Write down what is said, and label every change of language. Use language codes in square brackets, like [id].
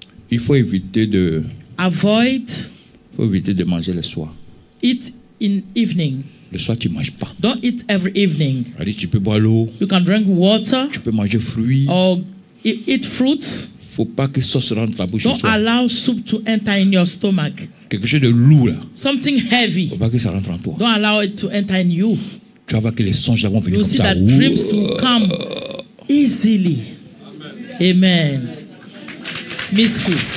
[fr] Il faut éviter de. [en] Avoid. [fr] Il faut éviter de manger le soir. [en] Eat in evening. [fr] Le soir, tu ne manges pas. [en] Don't eat every evening. [fr] Allez, tu peux boire l'eau. [en] You can drink water. [fr] Tu peux manger fruits. [en] Or eat fruits. [fr] Faut pas que sauce rentre dans la bouche. [en] Don't allow soup to enter in your stomach. [fr] Quelque chose de lourd là. [en] Something heavy. [fr] Faut pas que ça rentre en toi. [en] Don't allow it to enter in you. [fr] Tu vas voir que les songes vont venir [en] you'll [fr] comme [en] see [fr] ça. [en] That dreams will come easily. Amen. Amen. Miss food.